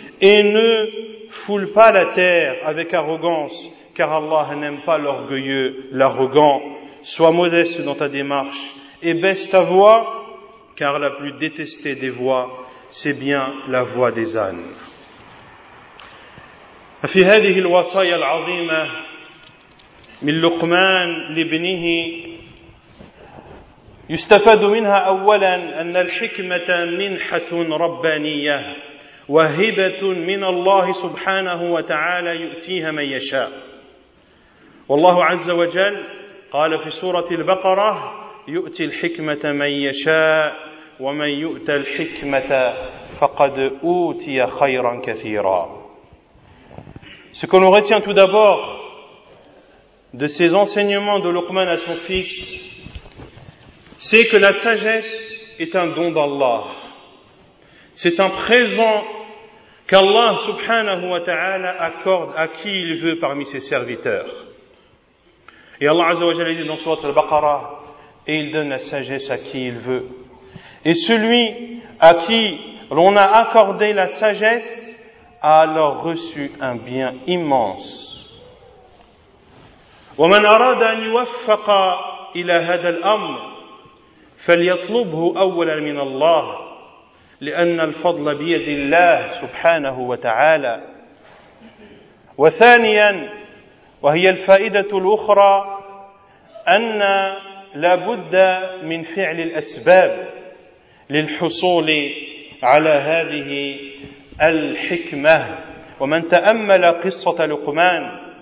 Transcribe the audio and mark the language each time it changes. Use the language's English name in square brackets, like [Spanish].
[French] et ne foule pas la terre avec arrogance, car Allah n'aime pas l'orgueilleux, l'arrogant. Sois modeste dans ta démarche et baisse ta voix, car la plus détestée des voix, c'est bien la voix des ânes. [Arabic] في هذه الوصايا العظيمة من لقمان لابنه يستفاد منها أولا أن الحكمة منحة ربانية وهبة من الله سبحانه وتعالى يؤتيها من يشاء والله عز وجل قال في سورة البقرة يؤتي الحكمة من يشاء ومن يؤت الحكمة فقد أوتي خيرا كثيرا. [French] Ce que l'on retient tout d'abord de ces enseignements de Luqman à son fils, c'est que la sagesse est un don d'Allah. C'est un présent qu'Allah subhanahu wa ta'ala accorde à qui il veut parmi ses serviteurs. Et Allah azza wa jalla dit dans sourate al-Baqarah, et il donne la sagesse à qui il veut. Et celui à qui l'on a accordé la sagesse a alors reçu un bien immense. [Arabic] وَمَنْ أَرَادَ أَنْ يُوَفَّقَ إِلَى هَذَا الْأَمْرِ فَلْيَطْلُبْهُ أَوَّلًا مِنَ اللَّهِ لِأَنَّ الْفَضْلَ بِيَدِ اللَّهِ سُبْحَانَهُ وَتَعَالَى وَثَانِيًا وَهِيَ الْفَائِدَةُ الْأُخْرَى أَنَّ لَابُدَّ مِنْ فِعْلِ الْأَسْبَابِ لِلْحُصُولِ عَلَى هَذِهِ الحكمة ومن تأمل قصة لقمان